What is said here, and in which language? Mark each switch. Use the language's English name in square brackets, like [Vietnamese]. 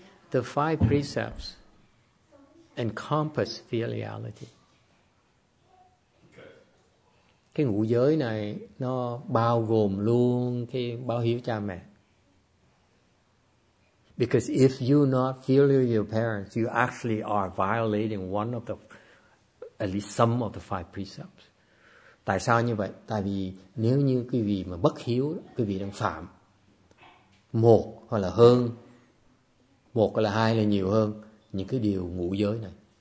[English] The 5 precepts encompass filiality. [Vietnamese] Cái ngũ giới này nó bao gồm luôn cái báo hiếu cha mẹ. [English] Because if you're not filial to your parents, you actually are violating one of the, at least some of the 5 precepts. [Vietnamese] Tại sao như vậy? Tại vì nếu như quý vị mà bất hiếu, quý vị đang phạm một hoặc là hơn. Một là hai là nhiều hơn những cái điều ngũ giới này.